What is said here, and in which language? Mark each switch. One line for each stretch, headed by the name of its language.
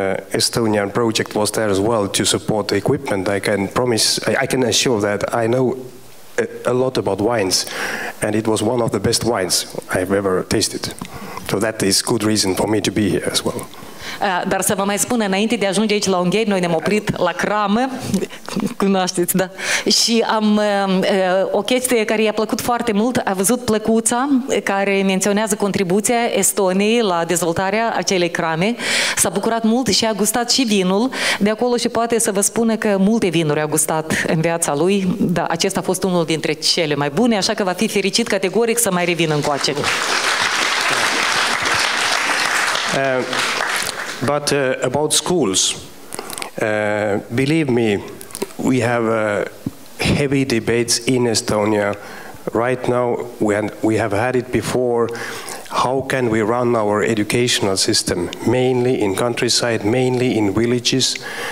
English: Estonian project was there as well to support the equipment. I can promise, I can assure that I know a lot about wines, and it was one of the best wines I've ever tasted. So that is good reason for me to be here as well.
Romanian: Dar să vă mai spun, înainte de a ajunge aici la Ungheni, noi ne-am oprit la cramă, cunoașteți, da, și am o chestie care i-a plăcut foarte mult, a văzut plăcuța care menționează contribuția Estoniei la dezvoltarea acelei crame, s-a bucurat mult și a gustat și vinul de acolo și poate să vă spună că multe vinuri a gustat în viața lui, dar acesta a fost unul dintre cele mai bune, așa că va fi fericit categoric să mai revină încoace.
English: But about schools, believe me, we have heavy debates in Estonia right now. We have had it before. How can we run our educational system, mainly in countryside, mainly in villages?